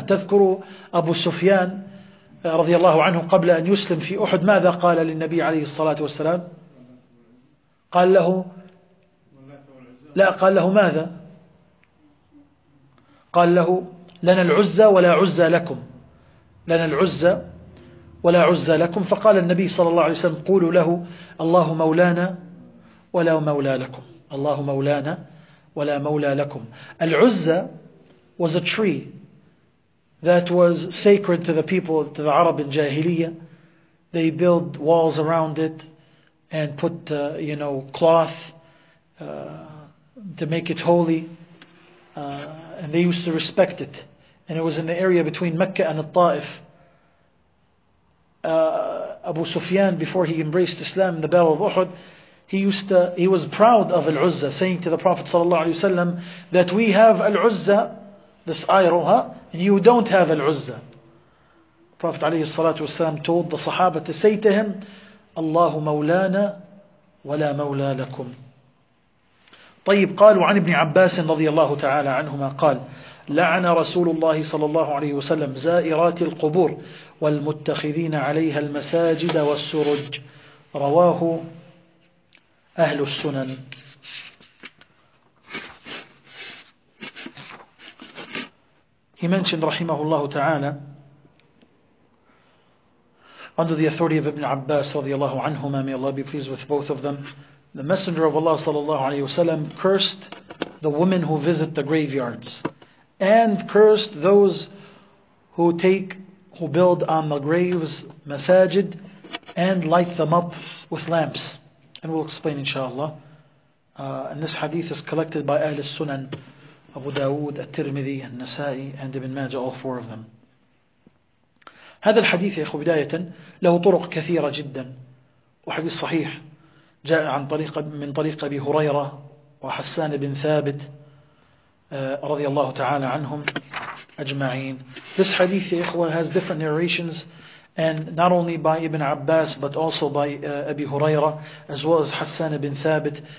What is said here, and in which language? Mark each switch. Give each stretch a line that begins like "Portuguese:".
Arabic: تذكروا أبو سفيان رضي الله عنه قبل أن يسلم في أحد ماذا قال للنبي عليه الصلاة والسلام؟ قال له، لا، قال له ماذا؟ قال له: لنا العزة ولا عزة لكم، لنا العزة ولا عزة لكم. فقال النبي صلى الله عليه وسلم: قولوا له الله مولانا ولا مولى لكم، الله مولانا ولا مولى لكم.
English: العزة was a tree that was sacred to the people, to the Arab in Jahiliyyah. They built walls around it and put you know cloth to make it holy, and they used to respect it, and it was in the area between Mecca and Taif. Abu Sufyan, before he embraced Islam in the Battle of Uhud, he was proud of Al-Uzza, saying to the Prophet ﷺ that we have Al-Uzza, this Ayruha, and you don't have Al-Uzza. Prophet ﷺ told the Sahaba to say to him,
Arabic: Allahu Mawlana wa la Mawla lakum. طيب قالوا عن ابن عباس رضي الله تعالى عنهما قال لعن رسول الله صلى الله عليه وسلم زائرات القبور والمتخذين عليها المساجد والسرج رواه أهل السنن.
English: He mentioned
Arabic: رحمه الله تعالى
English: under the authority of Ibn Abbas
Arabic: رضي الله عنهما,
English: may Allah be pleased with both of them, the Messenger of Allah
Arabic: sallallahu alayhi wa sallam
English: cursed the women who visit the graveyards and cursed those who take, who build on the graves masajid and light them up with lamps. And we'll explain inshallah. And this hadith is collected by Ahl al-Sunan, Abu Dawood, At-Tirmidhi, Al-Nasai, and Ibn Majah, all four of them.
Arabic: هذا الحديث يا أخو بداية له طرق كثيرة جدا وحديث صحيح جاء عن طريق من طريق أبي هريرة وحسان بن ثابت رضي الله تعالى عنهم أجمعين.
English: This hadith,
Arabic: يا إخوة,
English: has different narrations, and not only by Ibn Abbas but also by Abi Huraira as well as Hassan ibn Thabit.